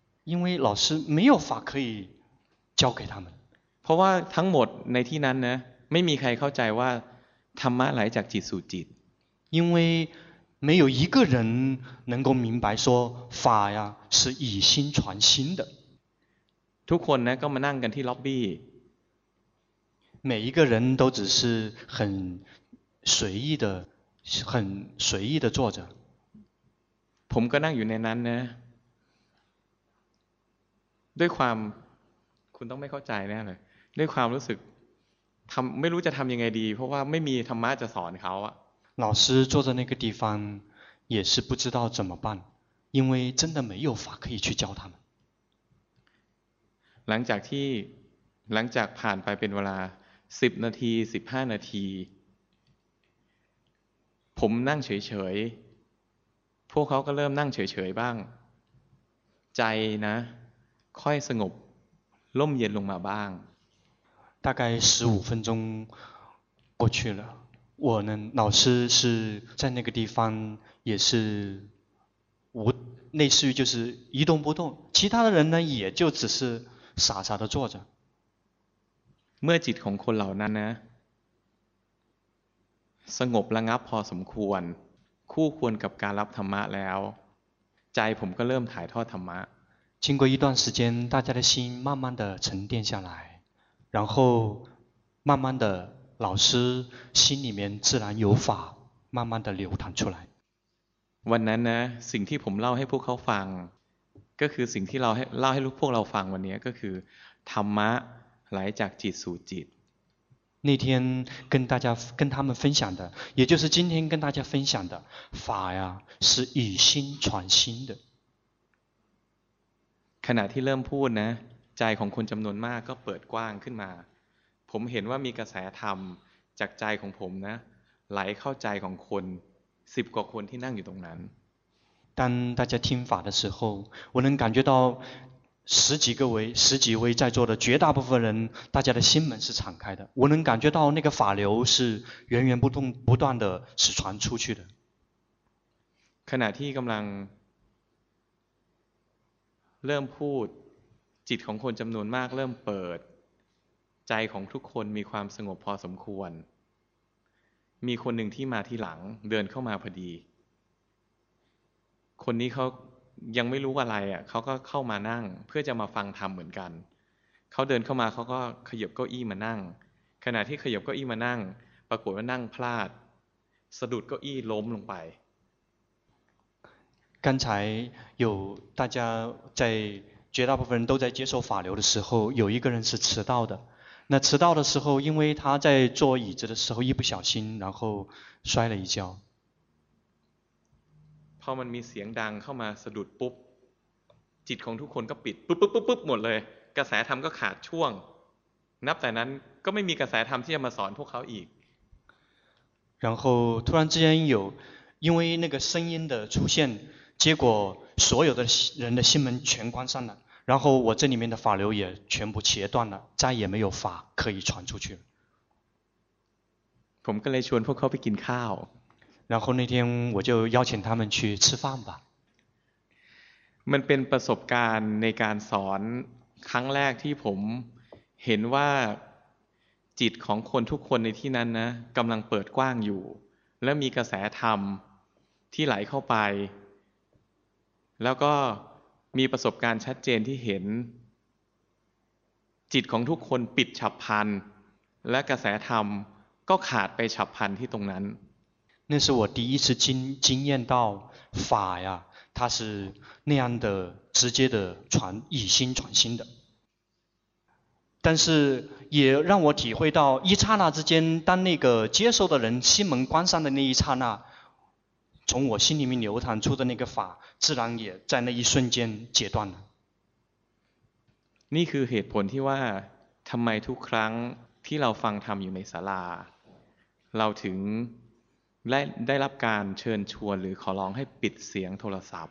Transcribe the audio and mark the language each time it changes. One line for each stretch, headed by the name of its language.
Chinese: 因为老师没有法可以教给他们
Thai: เพราะว่าทั้งหมดในที่นั้นนะไม่มีใครเข้าใจว่าธรรมะไหลจากจิตสู่จิต
Chinese: 因为没有一个人能够明白说法呀是以心传心的
Thai: ทุกคนนะก็มานั่งกันที่ล็อบบี้
Chinese: 每一个人都只是很随意的很随意的坐着
Thai: ผมก็นั่งอยู่ในนั้นนะด้วยความคุณต้องไม่เข้าใจแน่เลยด้วยความรู้สึกทำไม่รู้จะทำยังไงดีเพราะว่าไม่มีธรรมะจะสอนเขาอะ
Chinese: 老师坐在那个地方也是不知道怎么办因为真的没有法可以去教他们
Thai: หลังจากที่หลังจากผ่านไปเป็นเวลา10นาที15นาทีผมนั่งเฉยๆพวกเขาก็เริ่มนั่งเฉยๆบ้างใจนะค่อยสงบร่มเย็นลงมาบ้าง
Chinese: 大概15分钟过去了我呢老师是在那个地方也是无类似于就是一动不动其他的人呢也就只是傻傻的坐着
Thai: เมื่อจิตของคนเหล่านั้นนะสงบระงับพอสมควรคู่ควรกับการรับธรรมะแล้วใจผมก็เริ่มถ่ายทอดธรรมะ
Chinese: 经过一段时间大家的心慢慢的沉淀下来然后慢慢的老师心里面自然有法慢慢的流淌出来
Thai: วันนั้นนะสิ่งที่ผมเล่าให้พวกเขาฟังก็คือสิ่งที่เล่าให้ลูกพวกเราฟังวันนี้ก็คือธรรมะไหลจากจิตสู่จิต
Chinese: 那天跟他们分享的也就是今天跟大家分享的法呀是以心传心的
Thai: ขณะที่เริ่มพูดนะใจของคนจำนวนมากก็เปิดกว้างขึ้นมาผมเห็นว่ามีกระแสธรรมจากใจของผมนะไหลเข้าใจของคน10กว่าคนที่นั่งอยู่ตรงนั้น
Chinese: 当大家听法的时候我能感觉到十几位在座的绝大部分人大家的心门是敞开的我能感觉到那个法流是源源不断的是传出去的
Thai: ขณะที่กำลังเริ่มพูดจิตของคนจำนวนมากเริ่มเปิดใจของทุกคนมีความสงบพอสมควรมีคนหนึ่งที่มาที่หลังเดินเข้ามาพอดีคนนี้เขายังไม่รู้อะไรอ่ะเขาก็เข้ามานั่งเพื่อจะมาฟังธรรมเหมือนกันเขาเดินเข้ามาเขาก็ขยับเก้าอี้มานั่งขณะที่ขยับเก้าอี้มานั่งปรากฏว่านั่งพลาดสะดุดเก้าอี้ล้มลงไป
Chinese: 刚才有大家在绝大部分人都在接受法流的时候有一个人是迟到的那迟到的时候因为他在坐椅子的时候一不小心然后摔了一跤
Thai: พอมันมีเสียงดังเข้ามาสะดุดปุ๊บจิตของทุกคนก็ปิดปุ๊บปุ๊บปุ๊บปุ๊บหมดเลยกระแสธรรมก็ขาดช่วงนับแต่นั้นก็ไม่มีกระแสธรรมที่จะมาสอนพวกเขาอีก
Chinese: 然后突然之间有因为那个声音的出现结果所有的人的心门全关上了然后我这里面的法流也全部切断了再也没有法可以传出去
Thai: ผมก็เลยชวนพวกเขาไปกินข้าว
Chinese: 然后那天我就邀请他们去吃饭吧
Thai: มันเป็นประสบการณ์ในการสอนครั้งแรกที่ผมเห็นว่าจิตของคนทุกคนในที่นั้นนะกำลังเปิดกว้างอยู่และมีกระแสธรรมที่ไหลเข้าไปแล้วก็มีประสบการณ์ชัดเจนที่เห็นจิตของทุกคนปิดฉับพลันและกระแสธรรมก็ขาดไปฉับพลันที่ตรงนั้น
Chinese: 那是我第一次经验到法呀，它是那样的直接的传，以心传心的。但是也让我体会到一刹那之间，当那个接受的人心门关上的那一刹那，从我心里面流淌出的那个法自然也在那一瞬间截断了。
Thai: นี่คือเหตุผลที่ว่าทำไมทุกครั้งที่เราฟังธรรมอยู่ในศาลาเราถึงได้รับการเชิญชวนหรือขอร้องให้ปิดเสียงโทรศัพท